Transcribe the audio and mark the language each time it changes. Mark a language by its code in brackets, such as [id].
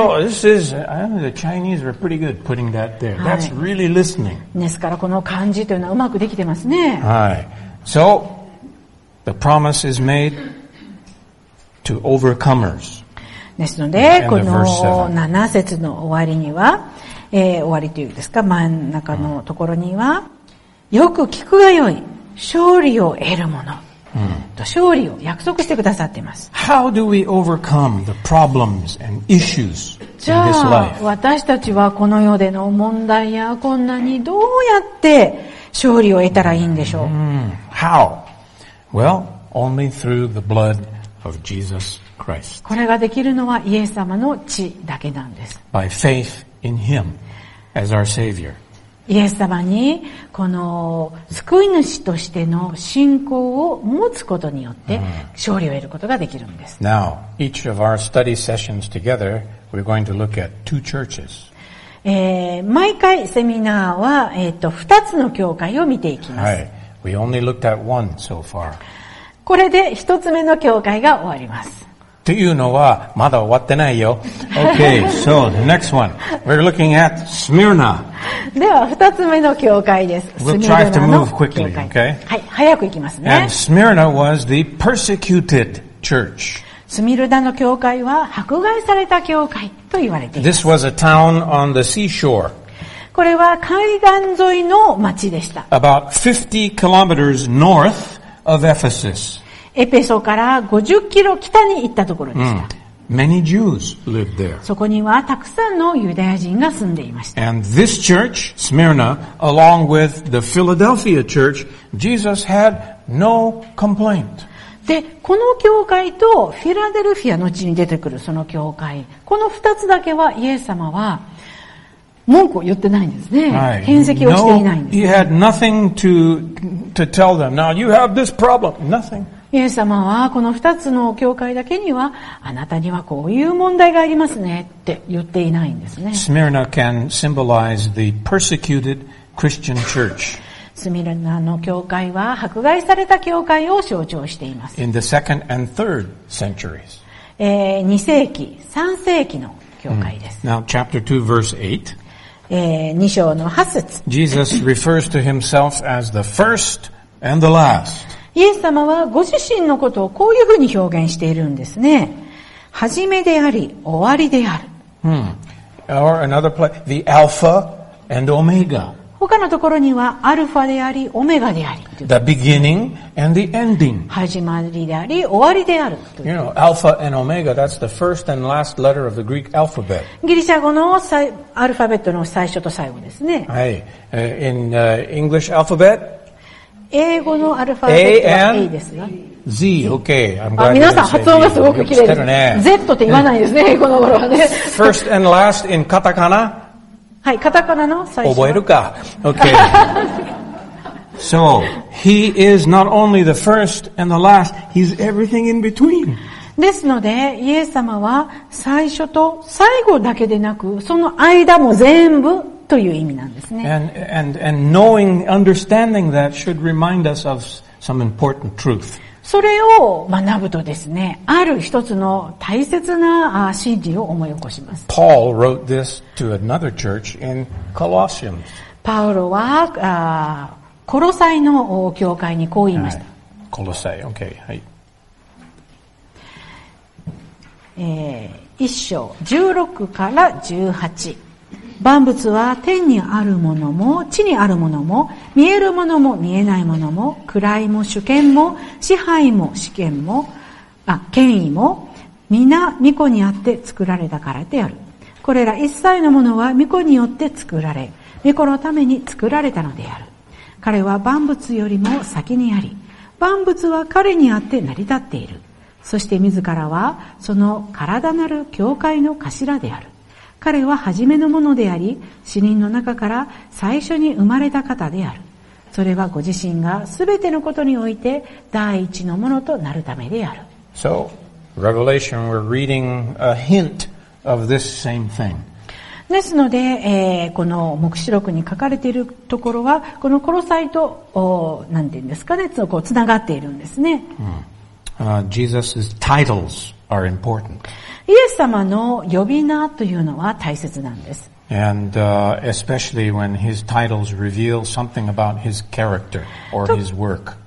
[en] So, this is, I know the Chinese are pretty good putting that there. That's really listening. [ja] ですからこの漢字というのはうまくできてますね。はい。 [en] So, the promise is made to overcomers. [ja] ですので、この7節の終わりには、終わりというですか、真ん中のところには、よく聞くがよい、勝利を得るもの、と勝利を約束してくださっています。 [en] How do we overcome the problems and issues in this life? [ja] じゃあ、私たちはこの世での問題や困難にどうやって勝利を得たらいいんでしょう [en] ?How? Well, only through the blood of Jesus Christ. [ja] これができるのはイエス様の血だけなんです。 [en] By faith. In Him as our Savior. [ja] イエス様にこの救い主としての信仰を持つことによって勝利を得ることができるんです。 [en] Now, each of our study sessions together, we're going to look at two churches. [ja] 毎回セミナーは二つの教会を見ていきます。はい。 [en] We only looked at one so far. [ja] これで一つ目の教会が終わります。というのはまだ終わってないよ。 [en] Okay, so the next one. We're looking at Smyrna. [ja] では二つ目の教会です。 [en] We'll try to move quickly, okay? [ja] はい、早く行きますね。 [en] And Smyrna was the persecuted church. [ja] スミルナの教会は迫害された教会と言われています。 [en] This was a town on the seashore. [ja] これは海岸沿いの町でした。 [en] About 50 kilometers north of Ephesus. [ja] エペソから50キロ北に行ったところでした。 [en] Many Jews lived there. [ja] そこにはたくさんのユダヤ人が住んでいました。 [en] And this church, Smyrna, along with the Philadelphia church, Jesus had no complaint. [ja] で、この教会とフィラデルフィアの地に出てくるその教会、この二つだけはイエス様は文句を言ってないんですね。偏責をしていないんです。 [en] He had nothing to tell them. Now you have this problem. Nothing. [ja] イエス様はこの二つの教会だけにはあなたにはこういう問題がありますねって言っていないんですね。 [en] スミルナ can symbolize the persecuted Christian church. [ja] スミルナの教会は迫害された教会を象徴しています。 [en] In the second and third centuries. [ja] 二世紀、三世紀の教会です。 [en] Now chapter 2 verse 8. [ja] 二章の八節。 [en] Jesus refers to himself as the first and the last. [ja] イエス様はご自身のことをこういうふうに表現しているんですね。はじめであり、終わりである。 [en] Or another place, the Alpha and Omega. [ja] 他のところには、アルファであり、オメガであり。 [en] The beginning and the ending. [ja] 始まりであり、終わりである。 [en] You know, Alpha and Omega, that's the first and last letter of the Greek alphabet. [ja] ギリシャ語のアルファベットの最初と最後ですね。はい。 [en] In English alphabet, [ja] 英語のアルファベットは A ですが、 [en] Z, okay. I'm glad [ja] 皆さん発音がすごく綺麗です。ね、 Z って言わないですね、英語の頃はね。 [en] First and last in カタカナ。 [ja] はい、カタカナの最初。覚えるか。Okay. [en] So, he is not only the first and the last, he's everything in between. [ja] ですので、イエス様は最初と最後だけでなく、その間も全部、という意味なんですね。 [en] And knowing, understanding that should remind us of some important truth. [ja] それを学ぶとですね、ある一つの大切な真理を思い起こします。 [en] Paul wrote this to another church in Colossians. [ja] パウロは、コロサイの教会にこう言いました。コロサイ、okay, はい。 1章16から18。万物は天にあるものも地にあるものも見えるものも見えないものも位も主権も支配も主権も権威も皆御子にあって作られたからである。これら一切のものは御子によって作られ、御子のために作られたのである。彼は万物よりも先にあり、万物は彼にあって成り立っている。そして自らはその体なる教会の頭である。彼は初めのものであり、死人の中から最初に生まれた方である。それはご自身がすべてのことにおいて第一のものとなるためである。 [en] So, Revelation, we're reading a hint of this same thing. [ja] ですので、この黙示録に書かれているところはこのコロサイと何て言うんですかね、こうつながっているんですね。 [en] Jesus's titles are important. [ja] イエス様の呼び名というのは大切なんです。 [en] And especially when his titles reveal something about his character or his work.